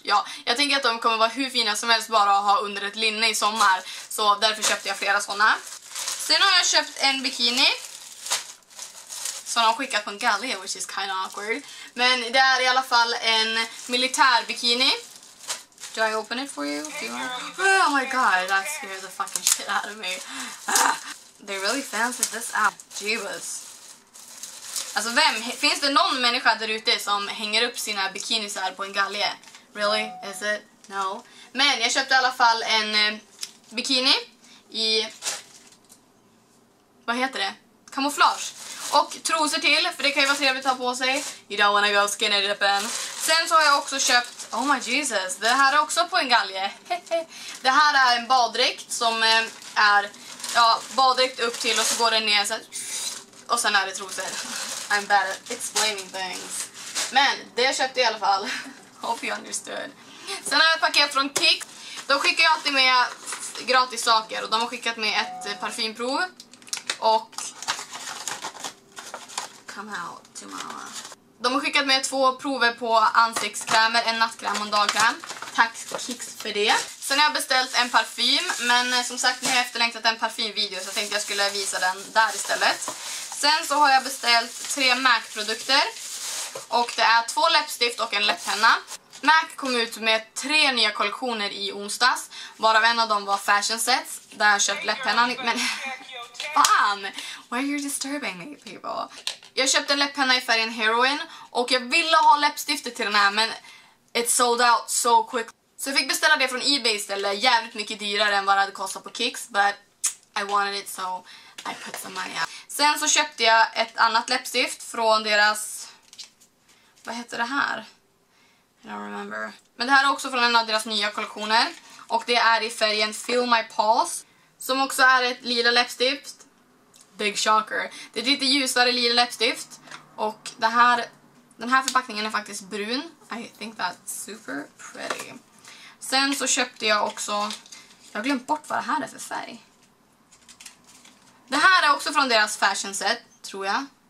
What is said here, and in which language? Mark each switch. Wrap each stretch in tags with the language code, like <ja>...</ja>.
<sv>Ja, jag tänker att de kommer vara hur fina som helst bara att ha under ett linne i sommar. Så därför köpte jag flera såna. Sen har jag köpt en bikini som de har skickat på en galley,</sv> <en>which is kind of awkward.</en> <sv>Men det är i alla fall en militär bikini.</sv> <en>Do I open it for you? Do you want... Oh my god, that scared the fucking shit out of me. They really fancy this out. Jesus.</en> <sv>Alltså vem, finns det någon människa där ute som hänger upp sina bikinisar på en galley?</sv> <en>Really? Is it? No.</en> <sv>Men jag köpte i alla fall en bikini i... Vad heter det? Kamouflage. Och trosor till, för det kan ju vara trevligt att ta på sig.</sv> <en>You don't wanna go skinny dipping.</en> <sv>Sen så har jag också köpt,</sv> <en>oh my Jesus,</en> <sv>det här är också på en galge. Det här är en baddräkt som är, ja, baddräkt upp till och så går den ner så här, och sen är det trosor.</sv> <en>I'm bad at explaining things.</en> <sv>Men det jag köpte i alla fall.</sv> <en>Hope you understood.</en> <sv>Sen har jag ett paket från Kik. De skickar ju alltid med gratis saker och de har skickat med ett parfymprov. Och</sv> <en>come out tomorrow.</en> <sv>De har skickat med 2 prover på ansiktskrämer, en nattkräm och en dagkräm. Tack Kix för det. Sen har jag beställt en parfym, men som sagt, ni har efterlängtat en parfymvideo, så jag tänkte jag skulle visa den där istället. Sen så har jag beställt 3 MAC-produkter. Och det är 2 läppstift och en läpppenna. MAC kom ut med 3 nya kollektioner i onsdags. Varav en av dem var Fashion Sets, där jag köpt läpppennan. Men fan!</sv> <en>Why are you disturbing me, people?</en> <sv>Jag köpte en läpppenna i färgen Heroin. Och jag ville ha läppstiftet till den här, men</sv> <en>it sold out so quick.</en> <sv>Så jag fick beställa det från eBay istället. Jävligt mycket dyrare än vad det hade kostat på Kix.</sv> <en>But I wanted it, so I put some money out.</en> <sv>Sen så köpte jag ett annat läppstift från deras... Vad heter det här?</sv> <en>I don't remember.</en> <sv>Men det här är också från en av deras nya kollektioner. Och det är i färgen Fill My Pulse. Som också är ett lila läppstift.</sv> <en>Big shocker.</en> <sv>Det är lite ljusare lila läppstift. Och det här, den här förpackningen är faktiskt brun.</sv> <en>I think that's super pretty.</en> <sv>Sen så köpte jag också... Jag har glömt bort vad det här är för färg. Det här är också från deras fashion set, tror jag.</sv>